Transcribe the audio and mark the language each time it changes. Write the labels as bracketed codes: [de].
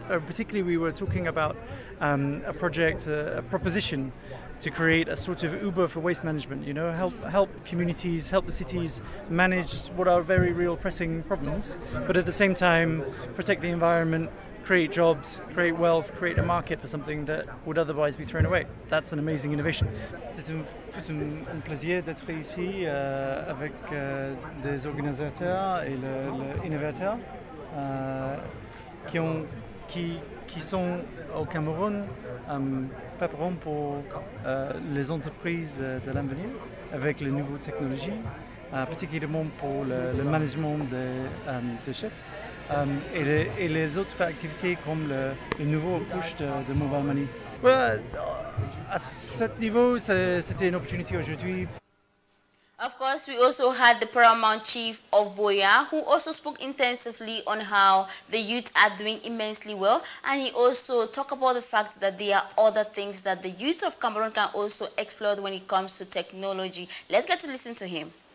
[en] Particularly, we were talking about a project, a proposition to create a sort of Uber for waste management, you know, help communities, help the cities manage what are very real pressing problems, but at the same time protect the environment, create jobs, create wealth, create a market for something that would otherwise be thrown away. That's an amazing innovation. [fr] C'est un plaisir d'être ici avec des organisateurs et les innovateurs qui sont au Cameroun, préparant pour les entreprises de l'avenir avec les nouvelles technologies, particulièrement pour le management des chefs. Et les autres activités comme le nouveau push de Mobile Money. Well, à ce niveau, c'était une opportunité aujourd'hui. [en] Of course, we also had the Paramount Chief of Boya, who also spoke intensively on how the youth are doing immensely well. And he also talked about the fact that there are other things that the youth of Cameroon can also explore when it comes to technology. Let's get to listen to him.